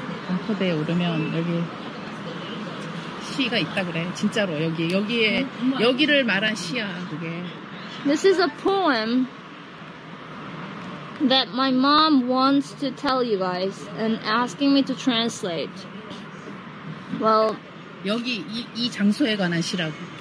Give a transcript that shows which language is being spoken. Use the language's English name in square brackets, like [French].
[Korean] 벙커대에 오르면 여기 시가 있다 그래. 진짜로 여기에 여기를 말한 시야 그게. [English] This is a poem that my mom wants to tell you guys and asking me to translate. Well, [Korean] 여기 이 장소에 관한 시라고.